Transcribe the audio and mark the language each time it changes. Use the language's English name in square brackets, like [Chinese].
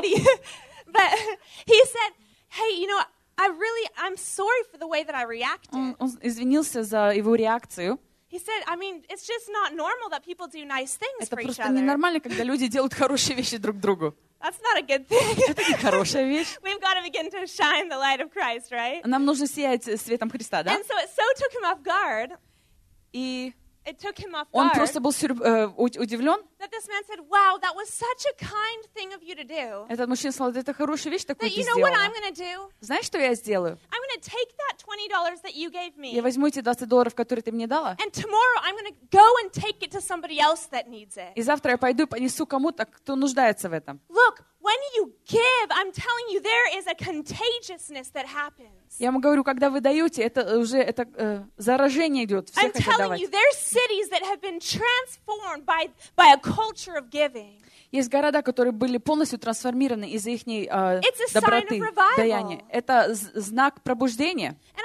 [English] Lady. But he said, hey, you know, I'm sorry for the way that I reacted. [Russian] Он извинился за его реакцию. [English] He said, I mean, it's just not normal that people do nice things [Russian] это [English] for each other. [Russian] Это просто ненормально, когда люди делают хорошие вещи друг другу. [English] That's not a good thing. [Russian] Это не хорошая вещь. [English] We've got to begin to shine the light of Christ, right? [Russian] Нам нужно сиять светом Христа, да? [English] And so it so took him off guard. [Russian] И [English] it took him off guard. [Russian] Он просто был удивлен. [English] That this man said, "Wow, that was such a kind thing of you to do." [Russian] Этот мужчина сказал, это хорошая вещь, такую ты сделала. [English] That you know what I'm going to do? [Russian] Знаешь, что я сделаю? [English] I'm going to take that $20 that you gave me. [Russian] Я возьму эти $20, которые ты мне дала. [English] And tomorrow I'm going to go and take it to somebody else that needs it. [Russian] И завтра я пойду и понесу кому-то, кто нуждается в этом. [English] Look. when you give, I'm telling you, there is a contagiousness that happens. [Russian] Я вам говорю, когда вы даёте, это уже это заражение идёт, все хотят давать. [English] I'm telling you, there's cities that have been transformed by a culture of giving. [Russian] Есть города, которые были полностью трансформированы из-за их доброты, даяния. Это знак пробуждения.